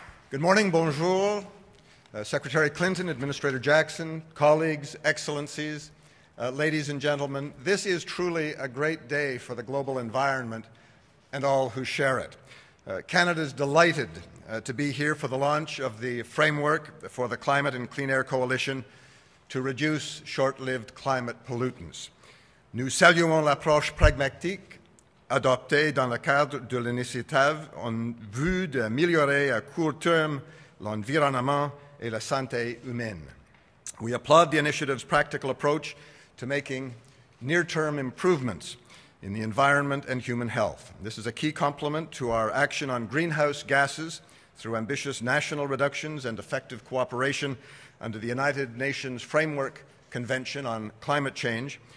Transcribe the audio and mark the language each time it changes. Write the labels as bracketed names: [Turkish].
[English] Good morning, bonjour, Secretary Clinton, Administrator Jackson, colleagues, excellencies, ladies and gentlemen. This is truly a great day for the global environment and all who share it. Canada is delighted to be here for the launch of the framework for the Climate and Clean Air Coalition to reduce short-lived climate pollutants. [French] Nous saluons l'approche pragmatique adoptée dans le cadre de l'initiative en vue d'améliorer à court terme l'environnement et la santé humaine. [English] We applaud the initiative's practical approach to making near-term improvements in the environment and human health. This is a key complement to our action on greenhouse gases through ambitious national reductions and effective cooperation under the United Nations Framework Convention on Climate Change.